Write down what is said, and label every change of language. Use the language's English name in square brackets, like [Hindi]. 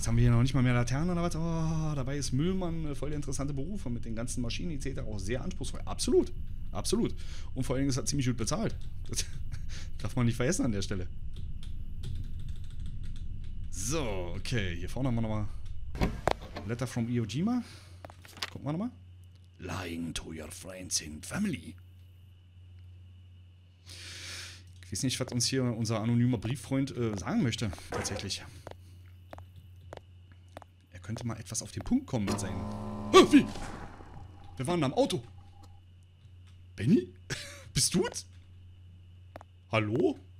[German] jetzt haben wir hier noch nicht mal mehr Laternen oder was. Oh, dabei ist Müllmann voll der interessante Beruf und mit den ganzen Maschinen etc. auch sehr anspruchsvoll. Absolut, absolut. Und vor allen Dingen ist er ziemlich gut bezahlt. Das darf man nicht vergessen an der Stelle. So, okay, hier vorne haben wir nochmal Letter from Iwo Jima. Gucken wir nochmal. [English] Lying to your friends and family. [German] Ich weiß nicht, was uns hier unser anonymer Brieffreund sagen möchte, tatsächlich. Er könnte mal etwas auf den Punkt kommen mit seinen... Wie? Wir waren am Auto. Benny? Bist du's? Hallo?